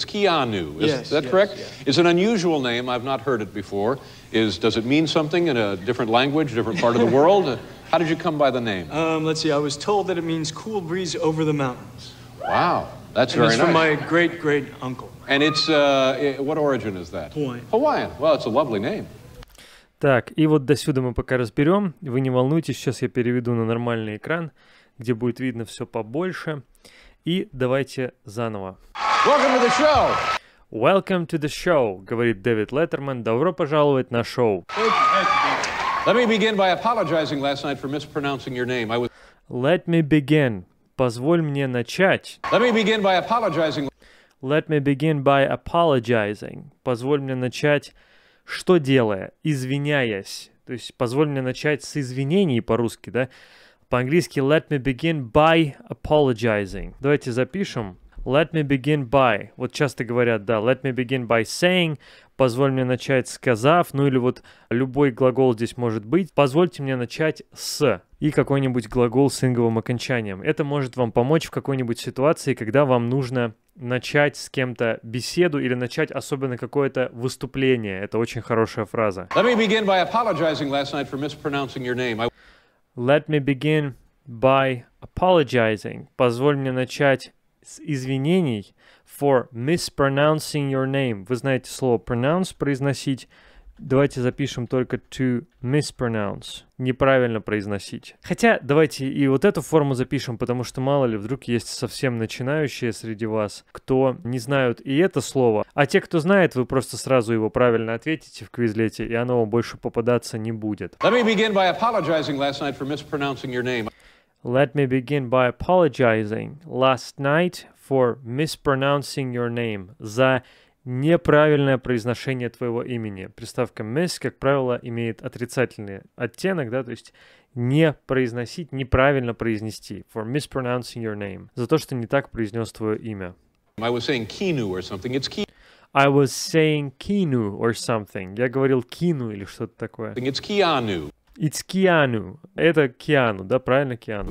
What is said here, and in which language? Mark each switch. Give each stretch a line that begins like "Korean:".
English: It's Keanu. Is that correct? Yes. It's an unusual name. I've not heard it before. Does it mean something in a different language, different part of the world? How did you come by the name? Let's see. I was told that it means cool breeze over the mountains. Wow. That's and very it's It's from my great-great-uncle. And it's, what origin is that? Hawaiian. Hawaiian. Well, it's a lovely name.
Russian: Так, и вот до сюда мы пока разберем. Вы не волнуйтесь, сейчас я переведу на нормальный экран, где будет видно все побольше. И давайте заново.
English: Welcome to the show! Welcome to the show,
Russian: говорит
English: Дэвид Леттерман.
Russian: Добро пожаловать на шоу.
English: Let me begin by apologizing last night for mispronouncing your name. Let me begin.
Russian: Позволь мне начать.
English: Let me begin by apologizing. Let me begin by apologizing.
Russian: Позволь мне начать, что делая? Извиняясь. То есть, позволь мне начать с извинений по-русски, да? По-английски,
English: let me begin by apologizing.
Russian: Давайте запишем.
English: Let me begin by.
Russian: Вот часто говорят, да,
English: let me begin by saying.
Russian: Позволь мне начать, сказав. Ну или вот любой глагол здесь может быть. Позвольте мне начать с. И какой-нибудь глагол с инговым окончанием. Это может вам помочь в какой-нибудь ситуации, когда вам нужно начать с кем-то беседу или начать особенно какое-то выступление. Это очень хорошая фраза.
English: Let me begin by apologizing last night for mispronouncing your name. Let me begin by apologizing.
Russian: Позволь мне начать с извинений
English: for mispronouncing your name.
Russian: Вы знаете слово pronounce, произносить. Давайте запишем только to mispronounce. Неправильно произносить. Хотя давайте и вот эту форму запишем, потому что мало ли вдруг есть совсем начинающие среди вас, кто не знают и это слово. А те, кто знает, вы просто сразу его правильно ответите в квизлете, и оно вам больше попадаться не будет.
English: Let me begin by apologizing last night for mispronouncing your name. Let me begin by apologizing last night for mispronouncing your name.
Russian: За неправильное произношение твоего имени. Приставка miss, как правило, имеет отрицательный оттенок, да, то есть не произносить, неправильно произнести.
English: For mispronouncing your name.
Russian: За то, что не так произнес твое имя.
English: I was saying Keanu or something. It's Keanu. I was saying Keanu or something.
Russian: Я говорил Keanu или что-то такое.
English: It's Keanu. It's Keanu.
Russian: Это Keanu, да, правильно, Keanu?